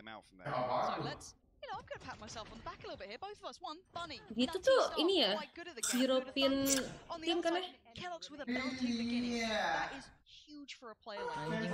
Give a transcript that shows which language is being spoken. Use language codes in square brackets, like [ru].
[en] You know, I'm gonna pat myself on the back a little bit here. Both of us, one, Bunny. [id] Itu tuh ini ya, European team kan ya? [en] Kellogg's with a belting beginning. That is huge for a player like him.